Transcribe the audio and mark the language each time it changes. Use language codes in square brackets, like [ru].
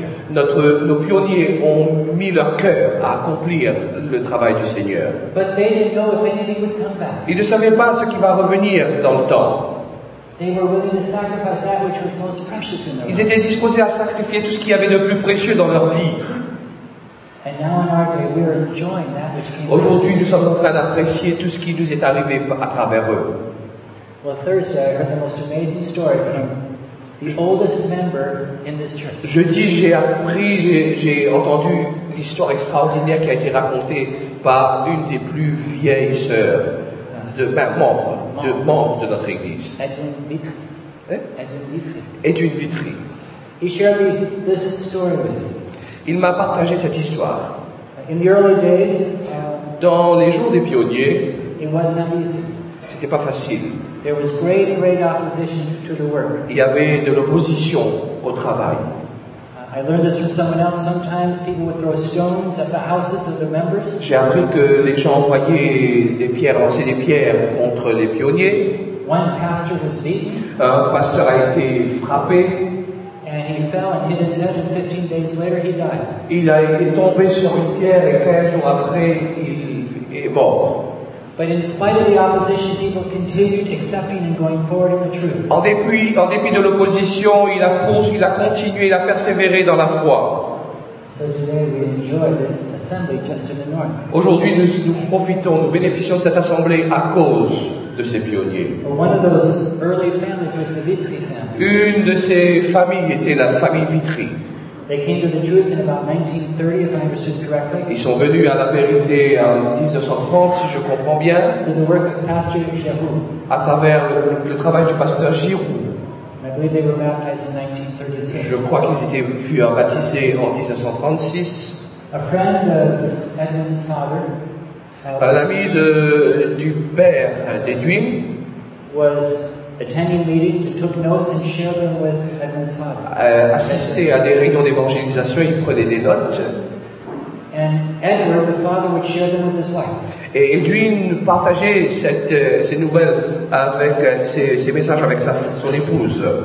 [fr] Notre, nos pionniers ont mis leur cœur à accomplir le travail du Seigneur. [en] But they didn't know if anything would come back. [fr] Ils ne savaient pas ce qui va revenir dans le temps. [en] They were willing to sacrifice that which was most precious in their life. [fr] Ils étaient disposés à sacrifier tout ce qu'il y avait de plus précieux dans leur vie. [en] And now in our day, we are enjoying that which came. [fr] Aujourd'hui, nous sommes en train d'apprécier tout ce qui nous est arrivé à travers eux. [en] Well, Thursday, I heard the most amazing story from the oldest member in this church. [fr] Jeudi, j'ai appris, j'ai entendu l'histoire extraordinaire qui a été racontée par une des plus vieilles sœurs de membres de notre église. [en] Edwin Vitry. [fr] Edwin Vitry. [en] He shared this story with me. [fr] Il m'a partagé cette histoire. [en] In the early days, [fr] dans les jours des pionniers, [en] it wasn't easy. [fr] C'était pas facile. [en] There was great opposition to the work. [fr] Il y avait de l'opposition au travail. [en] I learned this from someone else. Sometimes people would throw stones at the houses of the members. [fr] J'ai appris que les gens envoyaient des pierres, lançaient des pierres contre les pionniers. [en] One pastor was beaten. [fr] Un pasteur a été frappé. [en] And he fell and hit his head, and 15 days later he died. [fr] Il a été tombé sur une pierre et 15 jours après il est mort. [en] But in spite of the opposition, people continued accepting and going forward in the truth. [fr] En dépit de l'opposition, il a persévéré dans la foi. [en] So today we enjoy this assembly just to the north. [fr] Aujourd'hui, nous bénéficions de cette assemblée à cause de ces pionniers. [en] Well, one of those early families was the Vitry family. [fr] Une de ces familles était la famille Vitry. [en] They came to the truth in about 1930, if I understood correctly. [fr] Ils sont venus à la vérité en 1930, si je comprends bien. [en] Through the work of Pastor Giroux. [fr] À travers le travail du pasteur Giroux. [en] I believe they were baptized in 1936. [fr] Je crois qu'ils furent baptisés en 1936. [en] A friend of Edwin's father. [fr] Un ami du père d'Edwin. [en] Was attending meetings, took notes and shared them with Edwin's father. [fr] Assistait à des réunions d'évangélisation, il prenait des notes. [en] And Edward, the father, would share them with his wife. [fr] Et Edwin partageait ces nouvelles avec ses messages avec son épouse.